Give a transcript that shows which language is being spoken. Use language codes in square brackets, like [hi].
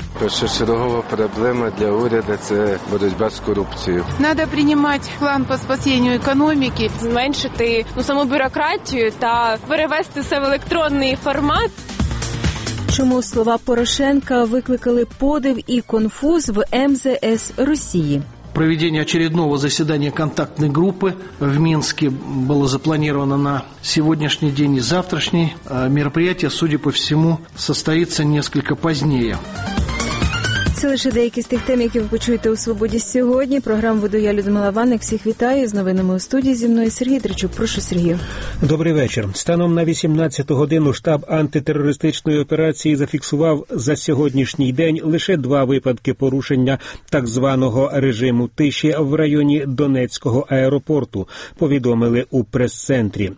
[uk] Першочергова проблема для уряду – це боротьба з корупцією. Треба приймати план по спасенню економіки, зменшити саму бюрократію та перевести все в електронний формат. Чому слова Порошенка викликали подив і конфуз в МЗС Росії? [ru] Проведение очередного заседания контактной группы в Минске было запланировано на сегодняшний день и завтрашний. Мероприятие, судя по всему, состоится несколько позднее. [uk] Це лише деякі з тих тем, які ви почуєте у «Свободі сьогодні». Програму веду я, Людмила Ванник. Всіх вітаю. З новинами у студії зі мною Сергій Дричук. Прошу, Сергію. Добрий вечір. Станом на 18 годину штаб антитерористичної операції зафіксував за сьогоднішній день лише два випадки порушення так званого режиму тиші в районі Донецького аеропорту, повідомили у прес-центрі.